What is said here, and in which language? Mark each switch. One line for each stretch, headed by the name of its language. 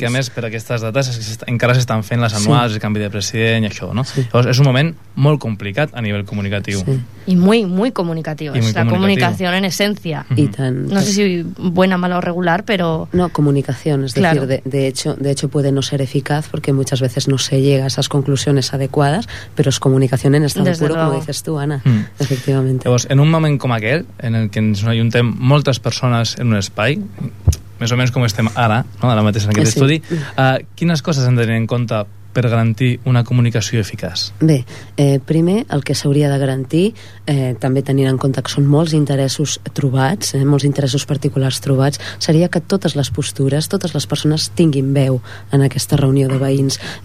Catalan: Que a més per aquestes dates encara s'estan fent les anuals, sí. El canvi de president i això, no? Sí. Llavors, és un moment molt complicat a nivell comunicatiu. Sí. I
Spanish: muy muy
Catalan: comunicatiu, és la comunicació en essència. I tant. No sé si bona, mala o regular, però no, comunicació, és a dir,
Spanish: de hecho puede no ser eficaz porque muchas veces no se llega a esas conclusiones adecuadas, pero es comunicación en estado desde puro, luego. Como dices tú, Ana.
Catalan: Efectivament. Llavors, en un moment com aquell, en el que ens ajuntem moltes persones en un espai, més o menys com estem ara, no? Ara mateix en aquest sí. Estudi, quines coses hem de tenir en compte per garantir una comunicació eficaç? Bé, primer, el que s'hauria de garantir, també tenint en compte que són molts interessos trobats, molts interessos particulars trobats, seria que totes les postures, totes les persones tinguin veu en aquesta reunió de veïns.